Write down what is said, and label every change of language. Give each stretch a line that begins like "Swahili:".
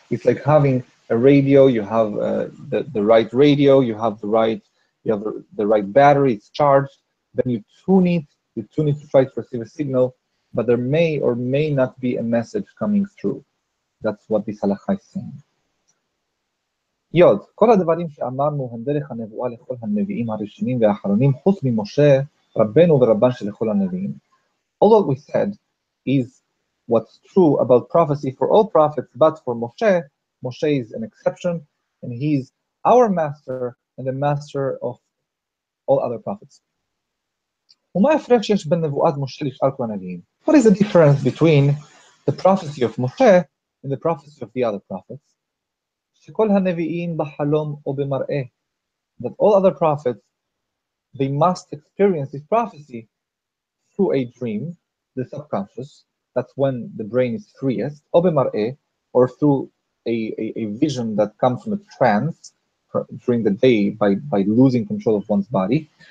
English: It's like having a radio, you have the right radio, you have the right battery, it's charged, then you tune it to try to receive a signal, but there may or may not be a message coming through. That's what this halakha is saying.
Hebrew: Yod, כל הדברים שאמרנו הם דרך הנבואה לכל הנביאים הראשונים והאחרונים, חוץ ממשה, רבנו ורבן של כל הנביאים.
English: All that we said is what's true about prophecy for all prophets, but for Moshe, Moshe is an exception, and he's our master and the master of all other prophets.
Hebrew: ומה הפרש שיש בין נבואת משה לשאר כל הנביאים?
English: What is the difference between the prophecy of Moshe and the prophecy of the other prophets?
Hebrew: שכל הנביאים בחלום או במראה,
English: that all other prophets, they must experience this prophecy through a dream, the subconscious, that's when the brain is freest,
Hebrew: או במראה,
English: or through a vision that comes from a trance during the day by losing control of one's body.